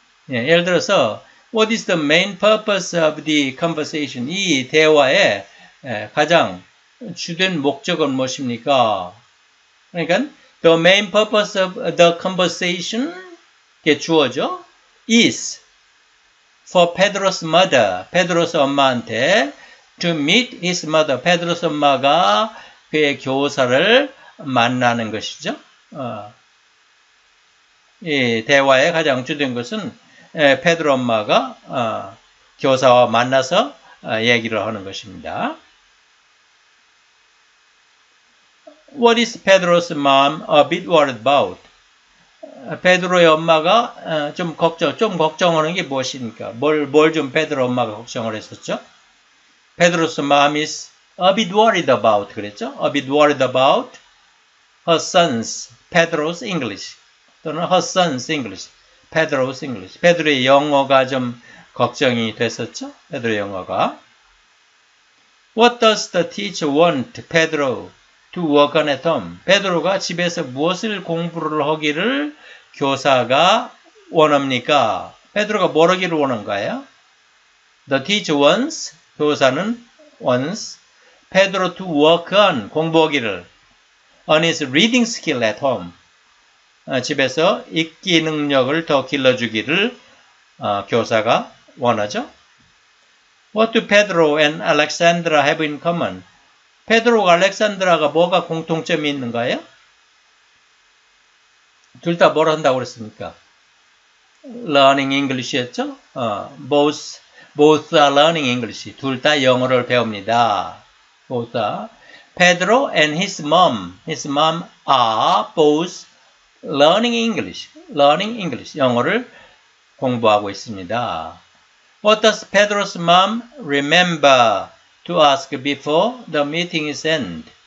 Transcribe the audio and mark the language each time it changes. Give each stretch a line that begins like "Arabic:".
Korean: 예를 들어서
English: What is the main purpose of the conversation?
Korean: 이 대화의 가장 주된 목적은 무엇입니까? 그러니까
English: the main purpose of the conversation
Korean: 이게 주어죠.
English: is for Pedro's mother. Pedro's
Korean: 엄마한테
English: to meet his mother.
Korean: Pedro's 엄마가 그의 교사를 만나는 것이죠. 이 대화의 가장 주된 것은 페드로 엄마가 교사와 만나서 얘기를 하는 것입니다.
English: What is Pedro's mom a bit worried about?
Korean: 페드로의 엄마가 좀 걱정하는 게 무엇입니까? 뭘좀 페드로 엄마가 걱정을 했었죠?
English: Pedro's mom is a bit worried about
Korean: 그랬죠?
English: A bit worried about her son's Pedro's English 또는 her son's English. Pedro's English.
Korean: 페드로의 영어가 좀 걱정이 됐었죠? 페드로의 영어가.
English: What does the teacher want Pedro to work on at home?
Korean: 페드로가 집에서 무엇을 공부를 하기를 교사가 원합니까? 페드로가 뭘 하기를 원한가요?
English: The teacher wants,
Korean: 교사는
English: wants Pedro to work on,
Korean: 공부하기를
English: on his reading skill at home.
Korean: 집에서 읽기 능력을 더 길러주기를 교사가 원하죠.
English: What do Pedro and Alexandra have in common?
Korean: Pedro와 Alexandra가 뭐가 공통점이 있는가요? 둘다뭘한다고그랬습니까?
English: Learning English
Korean: 였죠?
English: Both are learning English.
Korean: 둘다영어를배웁니다.
English: Both are. Pedro and his mom. His mom are both learning English. Learning English.
Korean: 영어를공부하고있습니다.
English: What does Pedro's mom remember to ask before the meeting is end?